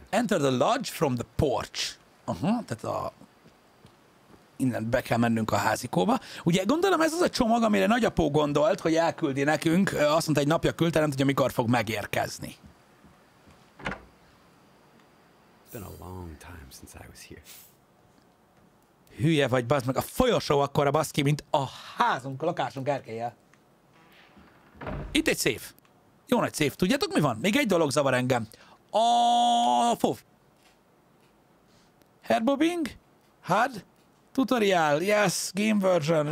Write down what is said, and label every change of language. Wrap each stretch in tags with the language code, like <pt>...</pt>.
<en>Enter the lodge from the porch.</en> <hu>Aha, tehát a... innen be kell mennünk a házikóba. Ugye gondolom ez az a csomag, amire nagyapó gondolt, hogy elküldi nekünk, azt mondta, egy napja küldte, nem tudja, mikor fog megérkezni.</hu> <en>It's been a long time since I was here.</en> <hu>Hülye vagy, bazd meg, a folyosó akkora, bazd ki, mint a házunk, a lakásunk erkélye. Itt egy szép. Jó nagy szép. Tudjátok, mi van? Még egy dolog zavar engem.</hu> <en>A fov. Headbobbing? HUD? Tutorial? Yes. Game version?</en>